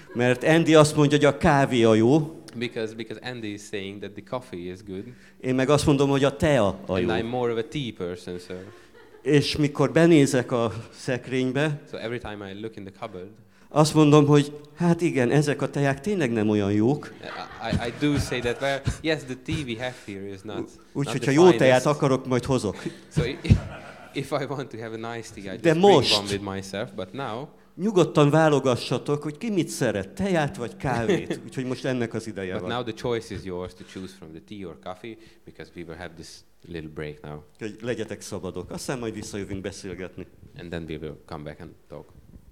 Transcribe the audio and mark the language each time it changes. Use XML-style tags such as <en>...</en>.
<hu>Mert Andy azt mondja, hogy a kávé a jó.</hu> <en>Because Andy is saying that the coffee is good.</en> <hu>Én meg azt mondom, hogy a tea a jó.</hu> <en>And I'm more of a tea person, sir.</en> <hu>És mikor benézek a szekrénybe,</hu> <en>so every time I look in the cupboard,</en> <hu>azt mondom, hogy hát igen, ezek a teák tényleg nem olyan jók.</hu> <en>I do say that, well, yes, the tea we have here is not.</en> <hu>Úgyhogy ha jó teát akarok, majd hozok.</hu> <en>So if I want to have a nice tea, I just bring one with myself, but now</en> <hu>nyugodtan válogassatok, hogy ki mit szeret, teát vagy kávét, úgyhogy most ennek az ideje</hu> <en>but</en> <hu>van.</hu> <en>But now the choice is yours to choose from the tea or coffee, because we will have this little break now.</en> <hu>Legyetek szabadok, aztán majd visszajövünk beszélgetni.</hu> <en>And then we will come back and talk.</en>